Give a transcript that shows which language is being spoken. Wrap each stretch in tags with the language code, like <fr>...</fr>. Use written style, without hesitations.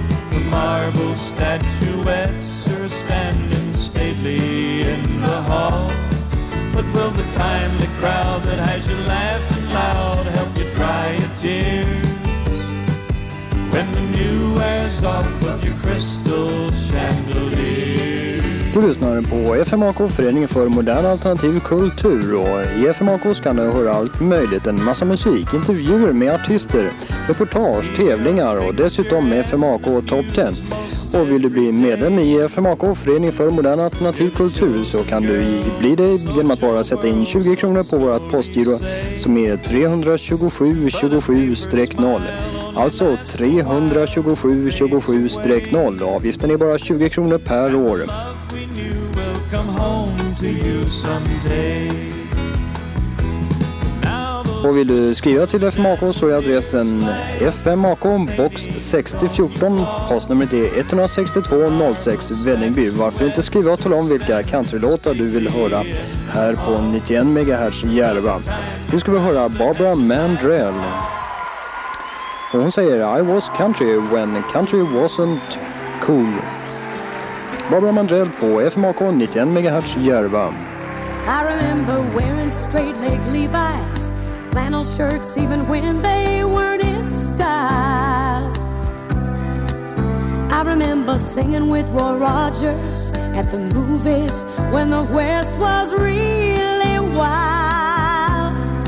<en>The marble statuettes are standing stately in the hall. But will the timely crowd that has you laughing loud help you dry a tear when the new wears off of crystal chandelier.</en> <sv>Du lyssnar på FMAK, Föreningen för modern alternativ kultur. Och i FMAK kan du höra allt möjligt. En massa musik, intervjuer med artister, reportage, tävlingar och dessutom FMAK Top 10. Och vill du bli medlem i FMAK, Föreningen för modern alternativ kultur, så kan du bli det genom att bara sätta in 20 kronor på vårt postgiro som är 327-27-0. Alltså 327-27-0. Avgiften är bara 20 kronor per år. Och vill du skriva till FMAK så är adressen FMAK box 6014, postnumret är 16206 Vällingby. Varför inte skriva och tala om vilka countrylåtar du vill höra här på 91 MHz Järva. Nu ska vi höra Barbara Mandrell. Och hon säger I was country when country wasn't cool. Barbara Mandrell på FMAK 91 MHz Järva.</sv> <en>I remember wearing straight leg Levi's, flannel shirts even when they weren't in style. I remember singing with Roy Rogers at the movies when the West was really wild.</en>